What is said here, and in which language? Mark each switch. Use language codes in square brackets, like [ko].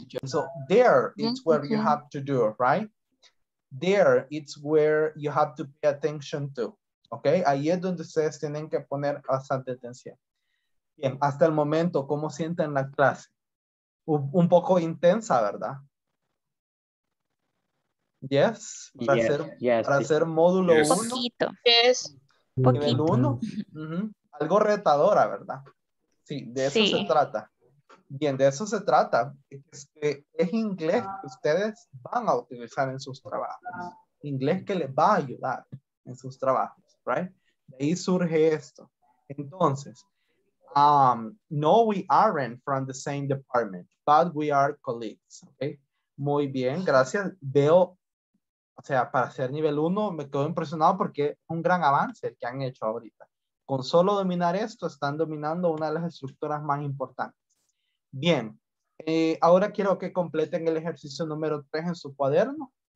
[en] So there, it's where you have to do, right? There, it's where you have to pay attention to. Okay? [es] Ahí es donde ustedes tienen que poner bastante atención. Bien, hasta el momento, ¿cómo sienten la clase? Un poco intensa, ¿verdad? Yes. Para hacer módulo 1. Poquito. [en] Yes. [es] Nivel 1. Uh-huh. Algo retadora, ¿verdad? Sí, de eso se trata. Bien, de eso se trata. Es inglés que ustedes van a utilizar en sus trabajos. Inglés que les va a ayudar en sus trabajos, right? De ahí surge esto. Entonces, no, [en] we aren't from the same department, but we are colleagues, okay? [es] Muy bien, gracias. Veo, o sea, para ser nivel 1, me quedo impresionado porque es un gran avance que han hecho ahorita. Con solo dominar esto, están dominando una de las estructuras más importantes. Bien, ahora quiero que completen el ejercicio número 3 en su cuaderno.